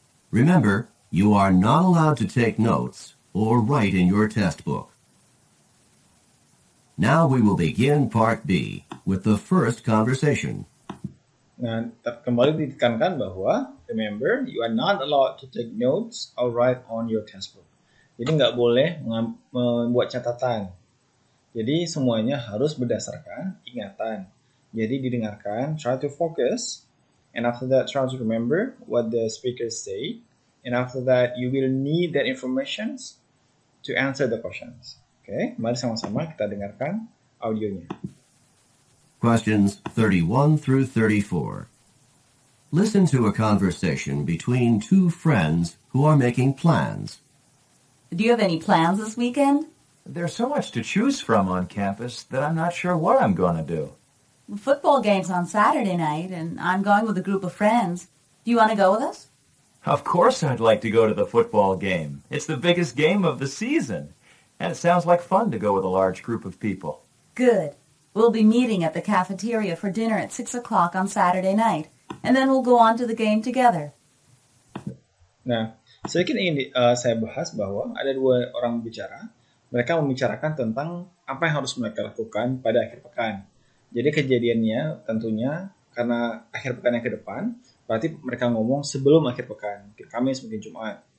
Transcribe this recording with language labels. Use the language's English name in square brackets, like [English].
[English] Remember, you are not allowed to take notes or write in your test book. Now we will begin part B with the first conversation. [Indonesian] Nah, kembali ditekankan bahwa, [English] remember, you are not allowed to take notes or write on your test book. [Indonesian] Jadi nggak boleh membuat catatan. Jadi semuanya harus berdasarkan ingatan. Jadi didengarkan, [English] try to focus, and after that try to remember what the speaker say, and after that you will need that information to answer the questions. [Indonesian] Okay, mari sama-sama kita dengarkan audionya. [English] Questions 31 through 34. Listen to a conversation between two friends who are making plans. Do you have any plans this weekend? There's so much to choose from on campus that I'm not sure what I'm going to do. The football game's on Saturday night, and I'm going with a group of friends. Do you want to go with us? Of course I'd like to go to the football game. It's the biggest game of the season, and it sounds like fun to go with a large group of people. Good. We'll be meeting at the cafeteria for dinner at 6 o'clock on Saturday night, and then we'll go on to the game together. [Indonesian] Nah, sedikit ingin saya bahas bahwa ada dua orang bicara. Mereka membicarakan tentang apa yang harus mereka lakukan pada akhir pekan. Jadi kejadiannya tentunya karena akhir pekan yang ke depan, berarti mereka ngomong sebelum akhir pekan, Kamis mungkin Jumat.